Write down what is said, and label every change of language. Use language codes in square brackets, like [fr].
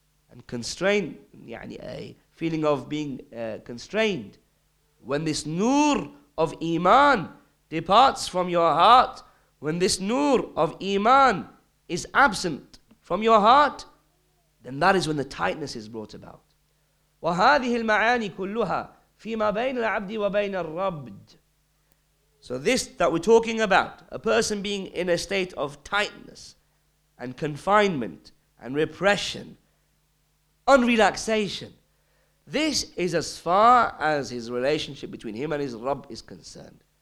[en] And constraint, يعني, a feeling of being constrained. When this nur of iman departs from your heart, when this nur of iman is absent from your heart, then that is when the tightness is brought about. [ar] وهذه المعاني كلها فيما بين العبد وبين الربد. [en] So this that we're talking about, a person being in a state of tightness and confinement and repression, on relaxation, this is as far as his relationship between him and his Rabb is concerned.